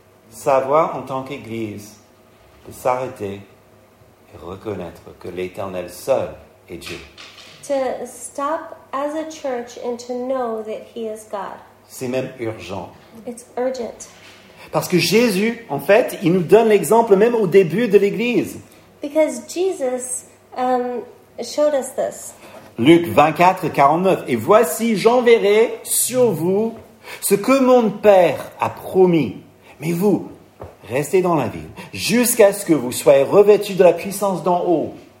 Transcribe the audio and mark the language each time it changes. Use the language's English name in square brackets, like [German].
[French] Savoir en tant qu'Église de s'arrêter et reconnaître que l'Éternel seul est Dieu. [English] To stop as a church and to know that He is God. [French] C'est même urgent. [English] It's urgent. [French] Parce que Jésus, en fait, il nous donne l'exemple même au début de l'Église. [English] Because Jesus showed us this. [French] Luc 24, 49. Et voici, j'enverrai sur vous ce que mon Père a promis. Mais vous, restez dans la ville jusqu'à ce que vous soyez revêtus de la puissance d'en haut.